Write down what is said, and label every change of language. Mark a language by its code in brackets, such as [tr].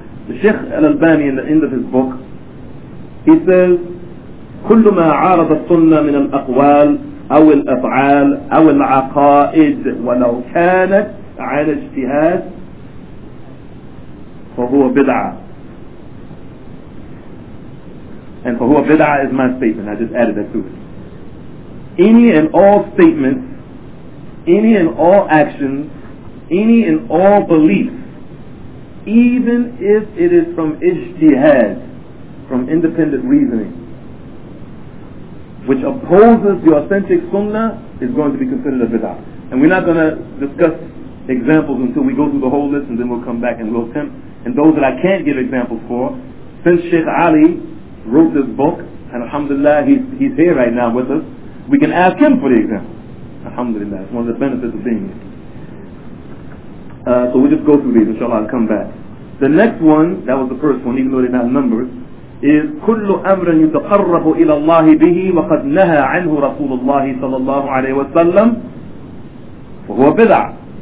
[en] The Sheikh Al-Albani, in the end of his book, he says, [ar] كل ما عارض السنة من الأقوال أو الأفعال أو العقائد ولو كانت عن اجتهاد فهو بدعة. [en] And [ar] فهو بدعة [en] is my statement. I just added that to it. Any and all statements, any and all actions, any and all beliefs, even if it is from ijtihad, from independent reasoning, which opposes the authentic sunnah, is going to be considered a bid'ah. And we're not going to discuss examples until we go through the whole list, and then we'll come back and we'll attempt. And those that I can't give examples for, since Sheikh Ali wrote this book, and alhamdulillah, he's here right now with us, we can ask him for the example. Alhamdulillah, it's one of the benefits of being here. So we'll just go through these, inshallah, I'll come back. The next one, that was the first one, even though they're not numbers, is [ar] كل أمر يتقرب إلى الله به وقد نهى عنه رسول الله صلى الله عليه وسلم فهو بدع.